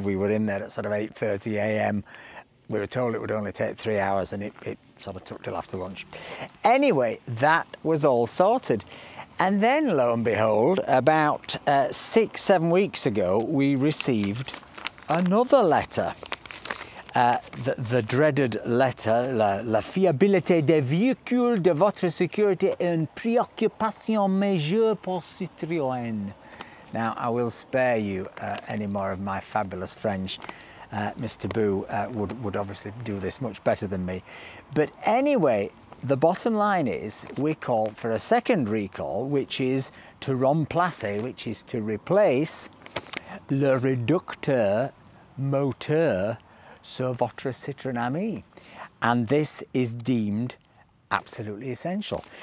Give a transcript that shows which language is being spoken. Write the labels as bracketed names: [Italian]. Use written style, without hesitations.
[English] We were in there at sort of 8:30 a.m. We were told it would only take 3 hours and it sort of took till after lunch. Anyway, that was all sorted. And then lo and behold, about 6-7 weeks ago, we received another letter. The dreaded letter, [French] la fiabilité des véhicules de votre sécurité est une préoccupation majeure pour Citroën. [English] Now, I will spare you any more of my fabulous French. Mr. Boo would obviously do this much better than me. But anyway, the bottom line is we call for a second recall, which is to remplacer, which is to replace [French] le réducteur moteur sur votre Citroën Ami, [English] and this is deemed absolutely essential.